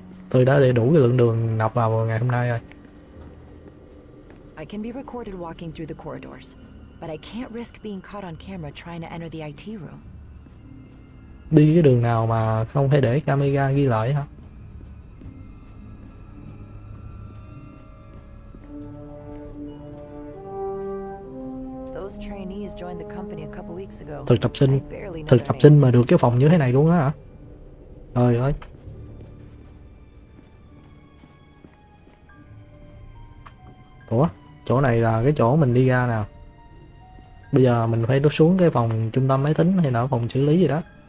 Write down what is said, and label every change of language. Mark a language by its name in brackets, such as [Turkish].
[Vietnamese] Tôi đã để đủ cái lượng đường nạp vào ngày hôm nay rồi. [English] I can be recorded walking through the corridors. But I can't risk being caught on camera trying to enter the IT room. [Vietnamese] Đi cái đường nào mà không thể để camera ghi lại hả? [English] Those trainees joined the company a couple weeks ago. [Vietnamese] Thực tập sinh mà được cái phòng như thế này luôn á hả? Trời ơi. Ủa, chỗ này là cái chỗ mình đi ra nè. Bây giờ mình phải đốt xuống cái phòng trung tâm máy tính hay là phòng xử lý gì đó.